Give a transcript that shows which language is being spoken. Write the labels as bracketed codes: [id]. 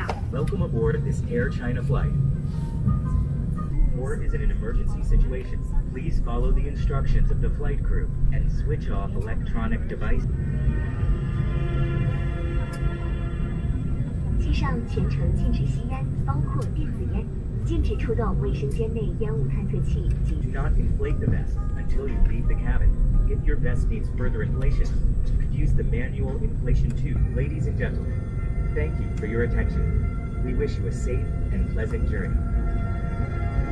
[en] Welcome aboard this Air China flight. Is in an emergency situation. Please follow the instructions of the flight crew and switch off electronic devices. [zh] 机上全程禁止吸烟，包括电子烟，禁止触动卫生间内烟雾探测器。 [en] Do not inflate the vest until you leave the cabin. If your vest needs further inflation, use the manual inflation tube. Ladies and gentlemen, thank you for your attention. We wish you a safe and pleasant journey.